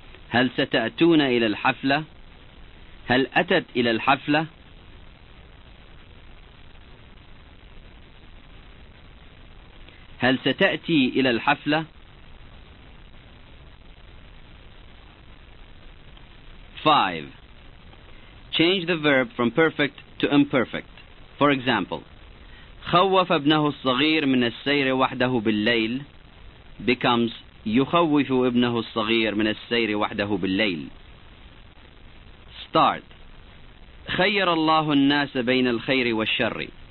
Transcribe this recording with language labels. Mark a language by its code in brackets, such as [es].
[ar] هل ستأتون إلى الحفلة؟ هل أتت إلى الحفلة؟ هل ستأتي إلى الحفلة؟ Five. [en] Change the verb from perfect to imperfect. For example, [ar] خوف ابنه الصغير من السير وحده بالليل [en] becomes [ar] يخوف ابنه الصغير من السير وحده بالليل. [en] Start. [ar] خير الله الناس بين الخير والشر.